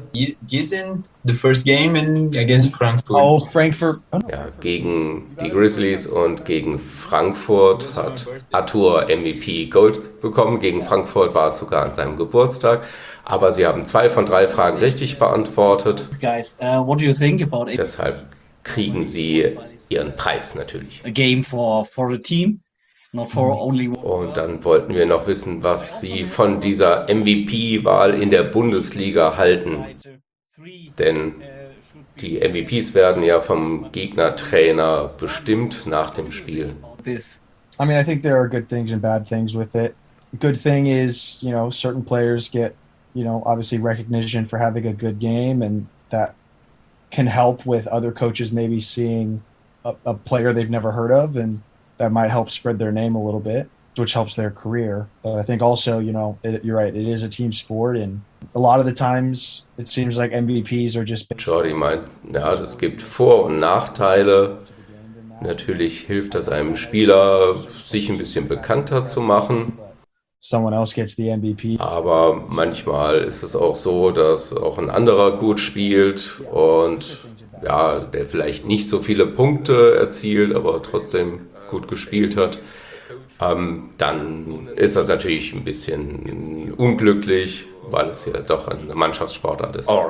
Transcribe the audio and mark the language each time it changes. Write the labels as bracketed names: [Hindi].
[English] Gießen, the first game and against Frankfurt. Oh, Frankfurt. [German] Ja, gegen die Grizzlies und gegen Frankfurt hat Arthur MVP Gold bekommen. Gegen Frankfurt war es sogar an seinem Geburtstag. Aber sie haben zwei von drei Fragen richtig beantwortet. [English] Guys, what do you think about it? [German] Deshalb kriegen sie ihren Preis natürlich. [English] A game for the team. Not for only one. [German] Und dann wollten wir noch wissen, was Sie von dieser MVP-Wahl in der Bundesliga halten. Denn die MVPs werden ja vom Gegnertrainer bestimmt nach dem Spiel. [English] I mean, I think there are good things and bad things with it. Good thing is, you know, certain players get, you know, obviously recognition for having a good game, and that can help with other coaches maybe seeing a player they've never heard of and that might help spread their name a little bit, which helps their career. But I think also, you know, you're right, it is a team sport. And a lot of the times, it seems like MVPs are just... [German] Jordi meint, ja, das gibt Vor- und Nachteile. Natürlich hilft das einem Spieler, sich ein bisschen bekannter zu machen. [English] Someone else gets the MVP. [German] Aber manchmal ist es auch so, dass auch ein anderer gut spielt und, ja, der vielleicht nicht so viele Punkte erzielt, aber trotzdem gut gespielt hat, dann ist das natürlich ein bisschen unglücklich, weil es ja doch eine Mannschaftssportart ist.